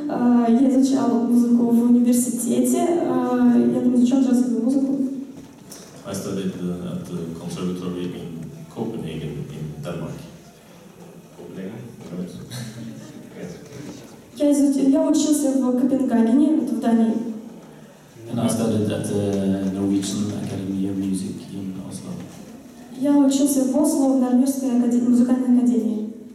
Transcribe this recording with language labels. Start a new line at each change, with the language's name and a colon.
Russian: Я изучал музыку в университете. Я там изучал джазовую музыку.
English: I studied at the conservatory in Copenhagen in Denmark. Copenhagen? Yes.
Russian: Я учился в Копенгагене, это в Дании.
English: And I studied at the Norwegian Academy of Music in Oslo.
Russian: Я учился в Осло в Норвежской музыкальной академии.